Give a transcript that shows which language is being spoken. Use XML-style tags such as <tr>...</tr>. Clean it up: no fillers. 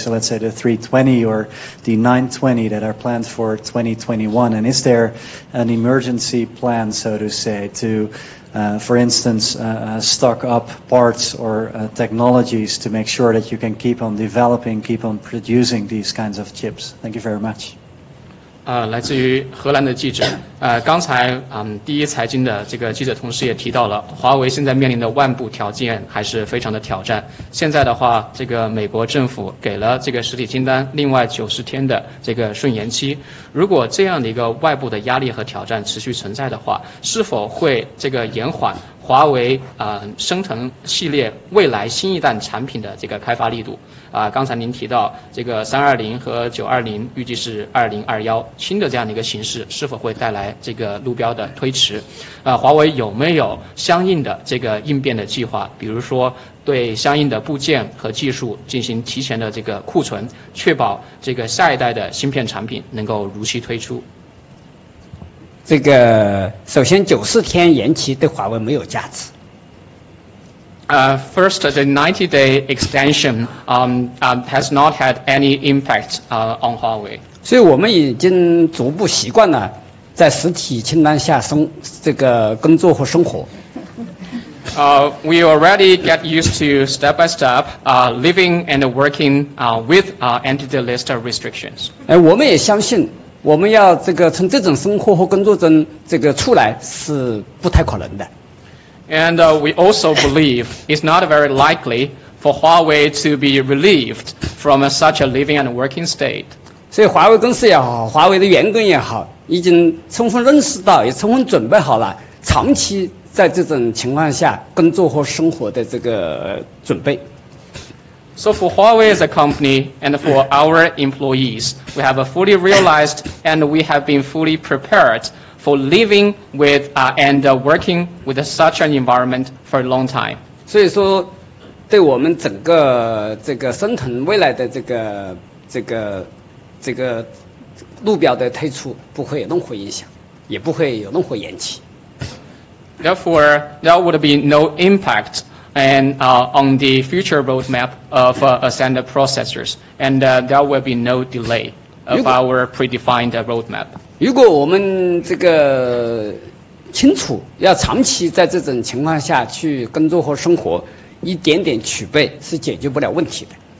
<en>So let's say the 320 or the 920 that are planned for 2021. And is there an emergency plan, so to say, to, for instance, stock up parts or technologies to make sure that you can keep on developing, keep on producing these kinds of chips? Thank you very much.</en> <zh>来自于荷兰的记者，刚才第一财经的这个记者同时也提到了，华为现在面临的万步条件还是非常的挑战。现在的话，这个美国政府给了这个实体清单另外90天的这个顺延期，如果这样的一个外部的压力和挑战持续存在的话，是否会这个延缓华为升腾系列未来新一代产品的这个开发力度？刚才您提到这个320和920预计是2021新的这样的一个形式，是否会带来这个路标的推迟？华为有没有相应的这个应变的计划？比如说对相应的部件和技术进行提前的这个库存，确保这个下一代的芯片产品能够如期推出。这个首先90天延期对华为没有价值。</zh> <en>First, the 90-day extension has not had any impact on Huawei.</en> <zh>所以我们已经逐步习惯了在实体清单下这个工作和生活。</zh> <en>We already get used to step by step living and working with entity list restrictions.</en> <zh>我们也相信我们要这个从这种生活和工作中这个出来是不太可能的。</zh> <en>And we also believe it's not very likely for Huawei to be relieved from such a living and working state.</en> <zh>所以华为公司也好，华为的员工也好，已经充分认识到，也充分准备好了长期在这种情况下工作和生活的这个准备。</zh> <en>So for Huawei as a company and for our employees, we have fully realized and we have been fully prepared. For living with and working with such an environment for a long time.</en> <zh>所以说，对我们整个这个深腾未来的这个路标的推出不会有任何影响，也不会有任何延期。</zh> <en>Therefore, there would be no impact and on the future roadmap of standard processors, and there will be no delay of our predefined roadmap.</en> <zh>如果我们这个清楚要长期在这种情况下去工作和生活，一点点储备是解决不了问题的。</zh>